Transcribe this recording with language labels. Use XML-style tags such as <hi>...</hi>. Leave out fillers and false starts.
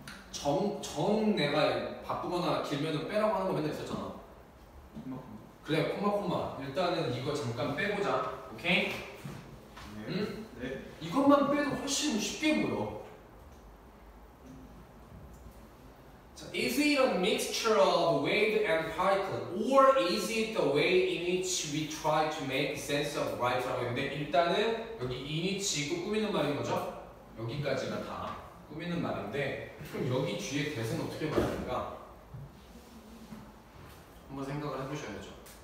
<ko>정 내가 바쁘거나 길면은 빼라고 하는 거 맨날 있었잖아. 그래, 콤마. 일단은 이거 잠깐 빼보자. 오케이? 이것만 빼도 훨씬 쉽게 보여.</ko> <en>자, is it a mixture of wave and particle? Or is it the way in which we try to make sense of right?</en> <ko>라고 했는데 일단은 여기</ko> <en>in which</en> <ko>고 꾸미는 말인 거죠? 여기까지가 다 꾸미는 말인데 그럼 여기 뒤에 대세는 어떻게 말하는가? 한번 생각을 해보셔야죠.</ko>